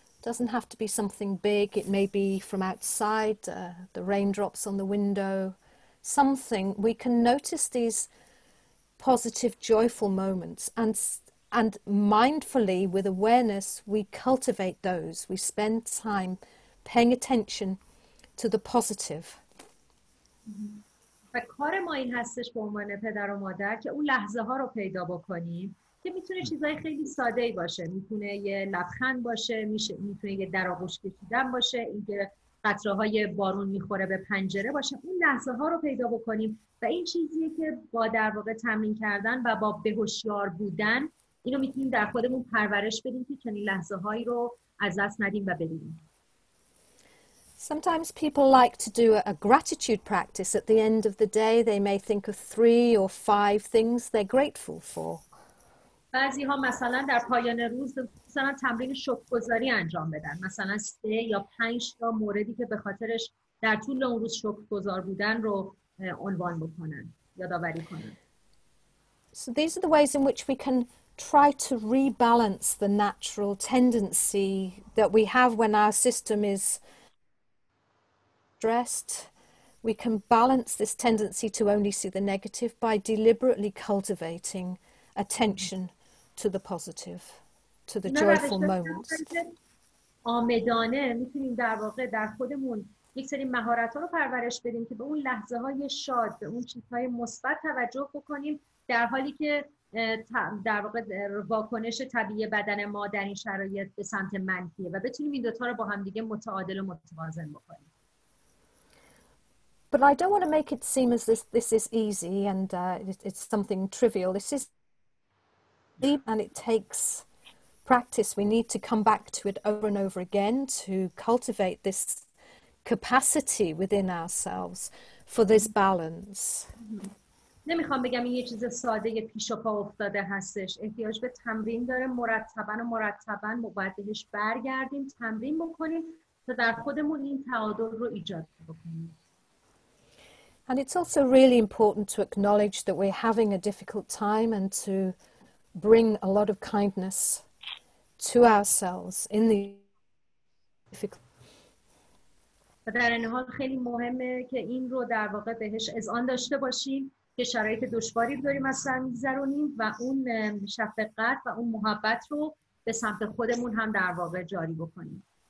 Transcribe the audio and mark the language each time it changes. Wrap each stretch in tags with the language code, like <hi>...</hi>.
<en>Doesn't have to be something big. It may be from outside, the raindrops on the window, something. We can notice these positive, joyful moments, and mindfully, with awareness, we cultivate those. We spend time paying attention to the positive.</en> <fa>و کار ما این هستش به عنوان پدر و مادر که اون لحظه ها رو پیدا بکنیم که میتونه چیزای خیلی ساده ای باشه، میتونه یه لبخند باشه، میتونه یه در آغوش کشیدن باشه، اینکه قطره های بارون میخوره به پنجره باشه. اون لحظه ها رو پیدا بکنیم و این چیزیه که با در واقع تمرین کردن و با بهوشیار بودن اینو میتونیم در خودمون پرورش بدیم که چنین لحظه هایی رو از دست ندیم و ببینیم.</fa> <en>Sometimes people like to do a gratitude practice at the end of the day. They may think of three or five things they're grateful for.</en> <fa>بعضی ها مثلا در پایان روز مثلا تمرین شکرگزاری انجام بدن، مثلا سه یا پنج تا موردی که به خاطرش در طول اون روز شکرگزار بودن رو عنوان بکنن، یادآوری کنن.</fa> <en>So these are the ways in which we can try to rebalance the natural tendency that we have when our system is stressed. We can balance this tendency to only see the negative by deliberately cultivating attention to the positive, to the joyful moments.</en> <fa>آمدانه میتونیم در واقع در خودمون یک سری مهارت‌ها رو پرورش بدیم که به اون لحظه‌های شاد، به اون چیزهای مثبت توجه بکنیم، در حالی که در واقع واکنش طبیعی بدن ما در این شرایط به سمت منفیه و بتونیم این دوتا رو با هم دیگه متعادل و متوازن بکنیم.</fa> <en>But I don't want to make it seem as this is easy and it's something trivial. This is deep and it takes practice. We need to come back to it over and over again to cultivate this capacity within ourselves for this balance.</en> <fa>نمیخوام بگم این یه چیز ساده یه پیش و پا افتاده هستش. احتیاج به تمرین داره. مرتباً و مرتباً باید بهش برگردیم، تمرین بکنیم تا در خودمون این تعادل رو ایجاد بکنیم.</fa> <en>And it's also really important to acknowledge that we're having a difficult time and to bring a lot of kindness to ourselves in the difficult.</en> <fa>و در این حال خیلی مهمه که این رو در واقع بهش اذعان داشته باشیم که شرایط دشواری داریم از سر می‌گذرونیم و اون شفقت و اون محبت رو به سمت خودمون هم در واقع جاری بکنیم.</fa>